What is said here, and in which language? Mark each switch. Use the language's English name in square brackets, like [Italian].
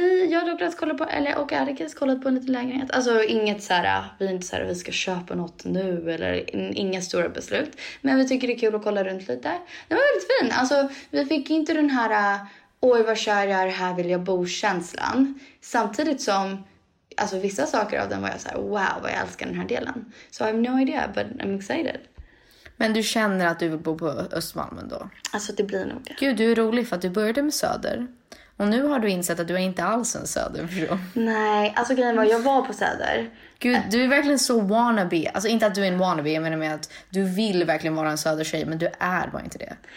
[Swedish] Jag och Douglas kollade på, eller och Erikes kollade på en liten lägenhet. Alltså inget så här, vi är inte så här, vi ska köpa något nu eller inga stora beslut. Men vi tycker det är kul att kolla runt lite. Det var väldigt fint. Alltså vi fick inte den här, oj vad kär jag är, här vill jag bo-känslan. Samtidigt som, alltså vissa saker av den var jag så här, wow vad jag älskar den här delen. [English] So I have no idea but I'm excited. [Swedish] Men du känner att du vill bo på Östermalm då? Alltså det blir nog. Gud, du är rolig för att du började med Söder. Och nu har du insett att du är inte alls en Söderbro. Nej, alltså grejen var, jag var på Söder. Gud, du är verkligen så wannabe. Alltså inte att du är en wannabe, jag menar med att du vill verkligen vara en Söder-tjej, men du är bara inte det.